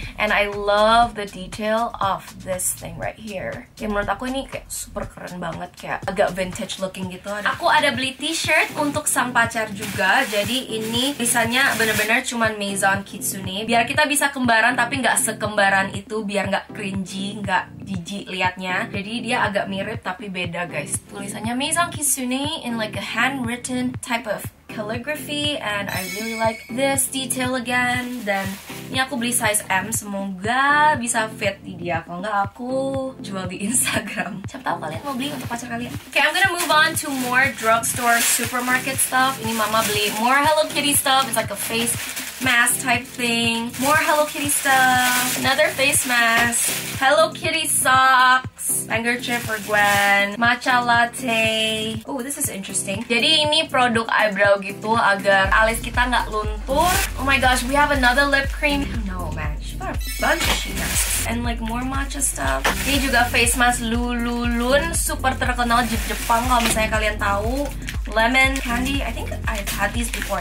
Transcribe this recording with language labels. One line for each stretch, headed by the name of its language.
English: And I love the detail of this thing right here.
Indonesian: Ya, menurut aku ini kayak super keren banget, kayak agak vintage looking gitu. Aku ada beli t-shirt untuk sang pacar juga, jadi ini tulisannya benar-benar cuman Maison Kitsune, biar kita bisa kembaran tapi nggak sekembaran itu, biar nggak cringy, nggak jijik liatnya. Jadi dia agak mirip tapi beda guys.
English: Tulisannya Maison Kitsune in like a handwritten type of calligraphy, and I really like this detail again.
Indonesian: Dan ini aku beli size M, semoga bisa fit di dia. Kalau nggak aku jual di Instagram. Siapa tahu kalian mau beli untuk pacar kalian.
English: Okay, I'm gonna move on to more drugstore supermarket stuff.
Indonesian: Ini mama beli
English: more Hello Kitty stuff. It's like a face mask type thing. More Hello Kitty stuff. Another face mask. Hello Kitty socks. Handkerchief for Gwen. Matcha latte. Oh, this is interesting.
Indonesian: Jadi ini produk eyebrow gitu agar alis kita nggak luntur.
English: Oh my gosh, we have another lip cream. No man, she got a bunch of sheen masks. And like more matcha stuff.
Indonesian: Ini juga face mask Lululun, super terkenal di Jepang kalau misalnya kalian tahu.
English: Lemon candy, I think I've had these before.